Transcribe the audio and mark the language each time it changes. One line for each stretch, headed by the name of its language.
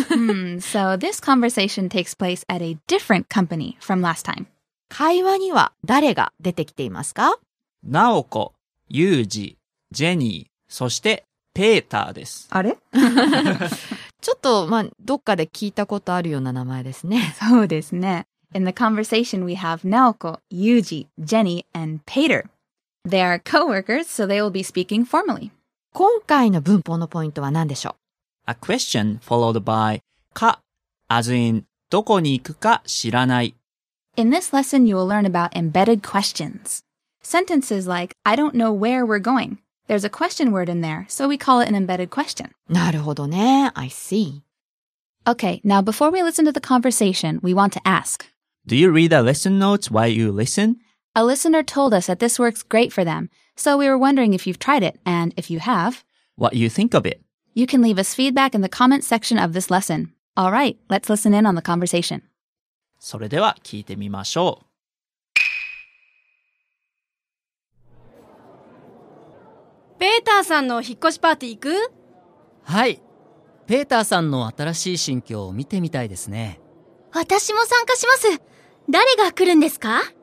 English: So this conversation takes place at a different company from last time.
Japanese: 会話には誰が出てきていますか？ナオコ、ユージ、ジェニー、そしてペーターです。あれ？ちょっと、まあ、どっかで聞いたことあるような名前ですね。そうですね。
English: In the conversation, we have Naoko, Yuji, Jenny, and Peter. They are co-workers, so they will be speaking formally.
Japanese: 今回の文法のポイントは何でしょう？
English: A question followed by か、as in
Japanese: どこに行くか知らない。
English: In this lesson, you will learn about embedded questions. Sentences like, I don't know where we're going. There's a question word in there, so we call it an embedded question.
Japanese: なるほどね。
English: I see. Okay, now before we listen to the conversation, we want to ask. Do you read the lesson notes while you listen? A listener told us that this works great for them, so we were wondering if you've tried it, and if you have, what you think of it. You can leave us feedback in the comments section of this lesson. All right, let's listen in on the conversation.
Japanese: それでは聞いてみましょう。ペーターさんの引っ越しパーティー行く？はい。ペーターさんの新しい新居を見てみたいですね。私も参加します。誰が来るんですか？